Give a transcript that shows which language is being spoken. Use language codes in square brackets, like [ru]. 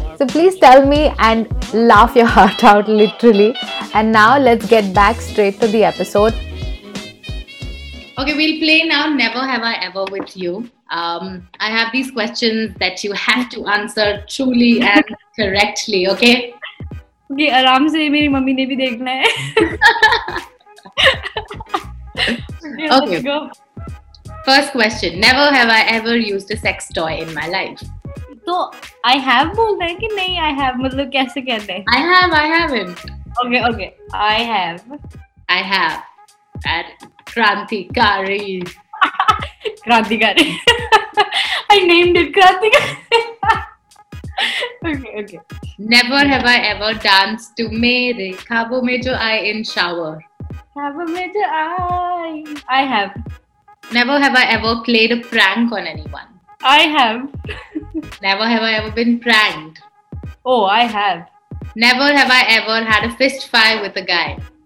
[en] So please tell me and laugh your heart out, literally. And now let's get back straight to the episode. Okay, we'll play now Never Have I Ever with you. I have these questions that you have to answer truly and correctly, okay? [hi] कि आराम से मेरी mummy ने भी देखना है. [en] Okay first question, never have I ever used a sex toy in my life. [hi] तो [en] I have [hi] बोलना है कि नहीं आई हैव, मतलब कैसे कहते हैं? [en] I have I have [hi] क्रांतिकारी [en] I named it क्रांतिकारी. Okay never have I ever dance to मेरे खाबो में जो I in shower. Have I made it? I have. Never have I ever played a prank on anyone. I have. Never have I ever been pranked. Oh, I have. Never have I ever had a fist fight with a guy.